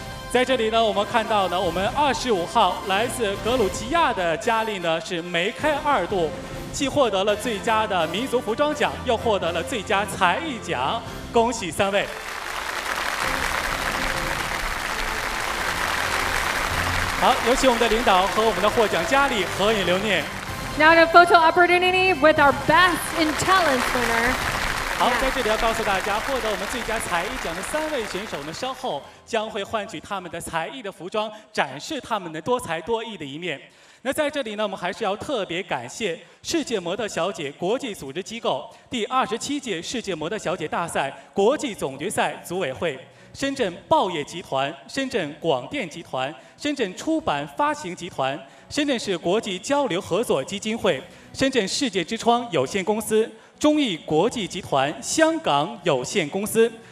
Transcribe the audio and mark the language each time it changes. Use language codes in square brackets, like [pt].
[zh] 在这里呢，我们看到呢，我们25号来自格鲁吉亚的佳丽呢是梅开二度，既获得了最佳的民族服装奖，又获得了最佳才艺奖，恭喜三位。好，有请我们的领导和我们的获奖佳丽合影留念。 [en] Now the photo opportunity with our best in talent winner, [zh] 好，在这里要告诉大家，获得我们最佳才艺奖的三位选手呢，稍后将会换取他们的才艺的服装，展示他们的多才多艺的一面。那在这里呢，我们还是要特别感谢世界模特小姐国际组织机构第27届世界模特小姐大赛国际总决赛组委会、深圳报业集团、深圳广电集团、深圳出版发行集团、深圳市国际交流合作基金会、深圳世界之窗有限公司、中艺国际集团香港有限公司、